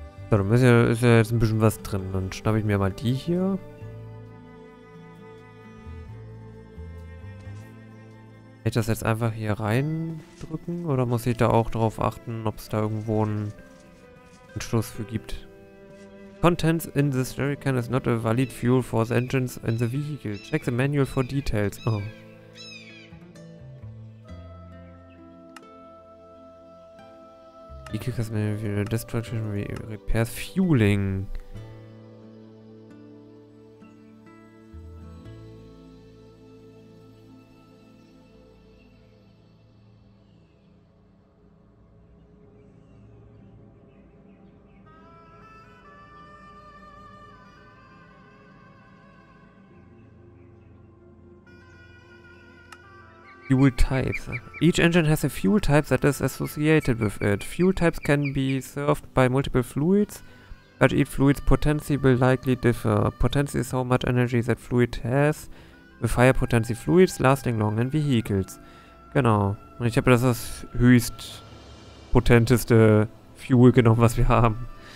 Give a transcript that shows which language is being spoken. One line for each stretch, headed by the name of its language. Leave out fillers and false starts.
German: So, da ist ja jetzt ein bisschen was drin. Dann schnappe ich mir mal die hier. Ich das jetzt einfach hier reindrücken oder muss ich da auch darauf achten, ob es da irgendwo einen Anschluss für gibt?
English: Contents in this jerrycan is not a valid fuel for the engines in the vehicle. Check the manual for details. Oh. Vehicle Customer Manual, Destruction Repairs, Fueling. Fuel types. Each engine has a fuel type that is associated with it. Fuel types can be served by multiple fluids, but each fluid's potency will likely differ. Potency is how much energy that fluid has, with higher potency fluids lasting long in vehicles.
German: Genau. Und ich habe das höchst potenteste Fuel genommen, was wir haben.